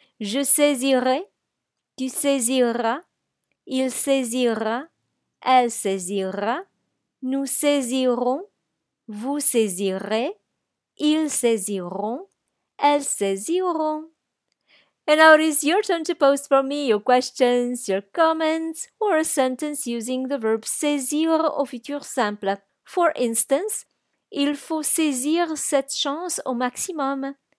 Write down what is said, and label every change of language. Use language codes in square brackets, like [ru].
[fr] Je saisirai, tu saisiras, il saisira, elle saisira, nous saisirons, vous saisirez, ils saisiront, elles saisiront. [en] And now it is your turn to post for me your questions, your comments, or a sentence using the verb saisir [fr] au futur simple. [en] For instance, [fr] il faut saisir cette chance au maximum.